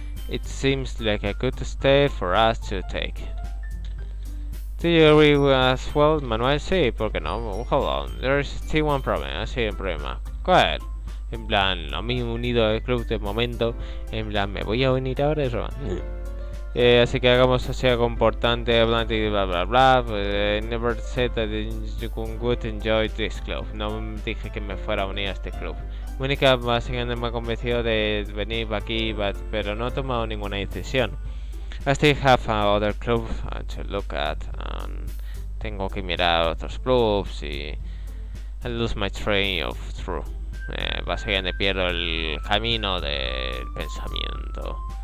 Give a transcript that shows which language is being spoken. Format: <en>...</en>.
<en>It seems like a good step for us to take. Do you agree as well, Manuel?</en> <es>Sí, ¿por qué no?</es> <en>Hold on, there's still one problem.</en> <es>Así un problema. ¿Cuál? En plan, no me he unido al club de momento. En plan, me voy a unir ahora, eso. Así que hagamos así algo importante, bla bla bla bla.</es> <en>Never said that you would enjoy this club.</en> <es>No dije que me fuera a unir a este club. Mónica básicamente me ha convencido de venir aquí, pero no he tomado ninguna decisión.</es> <en>I still have other clubs to look at.</en> <es>Tengo que mirar otros clubs y...</es> <en>I lose my train of thought.</en> <es>Básicamente pierdo el camino del pensamiento.</es>